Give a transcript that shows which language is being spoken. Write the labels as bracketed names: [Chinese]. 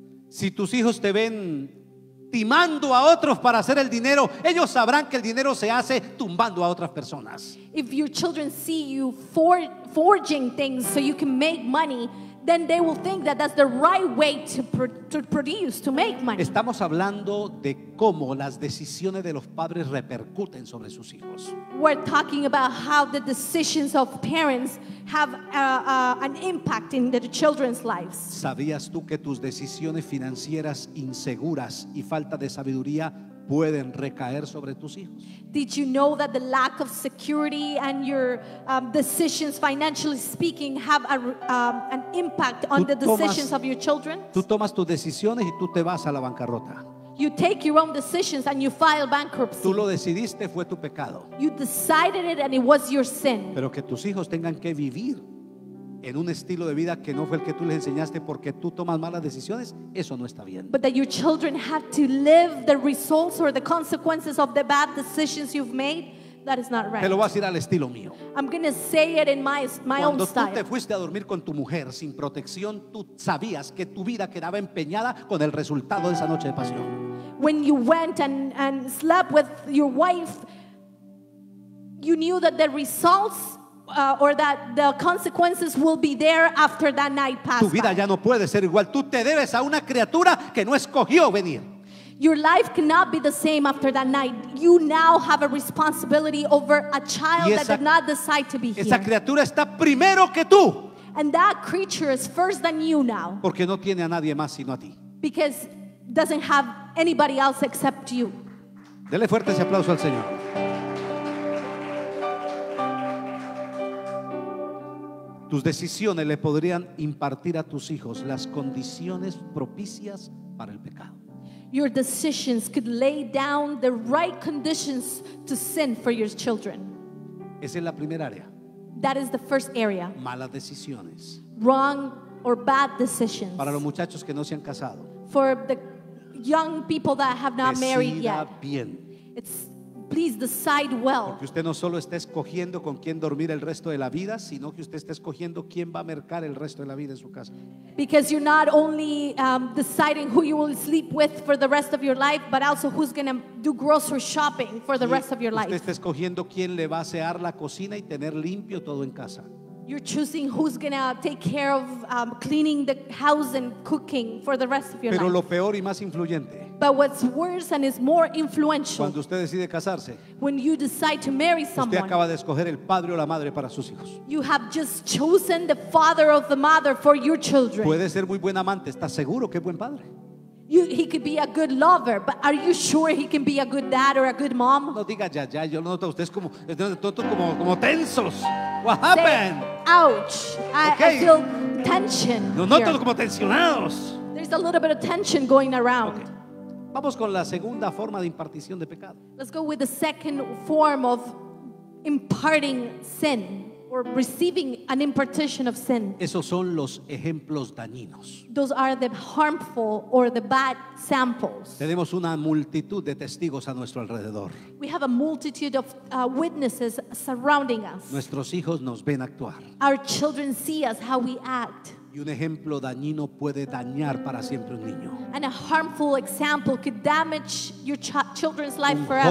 [Spanish] Si tus hijos te ven timando a otros para hacer el dinero, ellos sabrán que el dinero se hace tumbando a otras personas. [English] If your children see you forging things so you can make money, then they will think that that's the right way to produce, to make money. [Spanish] Estamos hablando de cómo las decisiones de los padres repercuten sobre sus hijos. [English] We're talking about how the decisions of parents have an impact in the children's lives. [Spanish] ¿Sabías tú que tus decisiones financieras inseguras y falta de sabiduría pueden recaer sobre tus hijos? [English] Did you know that the lack of security and your decisions, financially speaking, have an impact on the decisions of your children? [Spanish] Tú tomas tus decisiones y tú te vas a la bancarrota. [English] You take your own decisions and you file bankruptcy. [Spanish] Tú lo decidiste, fue tu pecado. [English] You decided it and it was your sin. [Spanish] Pero que tus hijos tengan que vivir en un estilo de vida que no fue el que tú les enseñaste porque tú tomas malas decisiones, eso no está bien. [English] But that your children have to live the results or the consequences of the bad decisions you've made, that is not right. [Spanish] Te lo voy a decir al estilo mío. [English] I'm going to say it in my own style. [Spanish] Cuando tú te fuiste a dormir con tu mujer sin protección, tú sabías que tu vida quedaba empeñada con el resultado de esa noche de pasión. [English] When you went and slept with your wife, you knew that the results or that the consequences will be there after that night passed. [Spanish] Tu vida ya no puede ser igual. Tú te debes a una criatura que no escogió venir. [English] Your life cannot be the same after that night. You now have a responsibility over a child that did not decide to be here. [Spanish] Esa criatura está primero que tú. [English] And that creature is first than you now. [Spanish] Porque no tiene a nadie más sino a ti. [English] Because doesn't have anybody else except you. [Spanish] Dele fuerte ese aplauso al Señor. Tus decisiones le podrían impartir a tus hijos las condiciones propicias para el pecado. [English] Your decisions could lay down the right conditions to sin for your children. [Spanish] Esa es la primera área. [English] That is the first area. [Spanish] Malas decisiones. [English] Wrong or bad decisions. [Spanish] Para los muchachos que no se han casado. [English] For the young people that have not married yet. [Spanish] Decida bien. [English] Please decide well. [Spanish] Porque usted no solo está escogiendo con quién dormir el resto de la vida, sino que usted está escogiendo quién va a mercar el resto de la vida en su casa. [English] Because you're not only deciding who you will sleep with for the rest of your life, but also who's going to do grocery shopping for the rest of your life. [Spanish] Usted está escogiendo quién le va a asear la cocina y tener limpio todo en casa. [English] You're choosing who's going to take care of cleaning the house and cooking for the rest of your [Spanish] Pero [English] life. [Spanish] Pero lo peor y más influyente. [English] But what's worse and is more influential. [Spanish] Cuando usted decide casarse. [English] When you decide to marry someone. [Spanish] Usted acaba de escoger el padre o la madre para sus hijos. [English] You have just chosen the father or the mother for your children. [Spanish] Puede ser muy buen amante, ¿estás seguro que es buen padre? [English] He could be a good lover, but are you sure he can be a good dad or a good mom? [Spanish] No diga ya, yo lo noto, ustedes como todos como tensos. [English] What happened? Ouch. Okay. I feel tension. [Spanish] No noto como tensionados. [English] There's a little bit of tension going around. Okay. [Spanish] Vamos con la segunda forma de impartición de pecado. [English] Let's go with the second form of imparting sin or receiving an impartition of sin. [Spanish] Esos son los ejemplos dañinos. [English] Those are the harmful or the bad samples. [Spanish] Tenemos una multitud de testigos a nuestro alrededor. [English] We have a multitude of witnesses surrounding us. [Spanish] Nuestros hijos nos ven actuar. [English] Our children see us how we act. [Spanish] Y un ejemplo dañino puede dañar para siempre un niño. [English] And a harmful example could damage your children's life forever.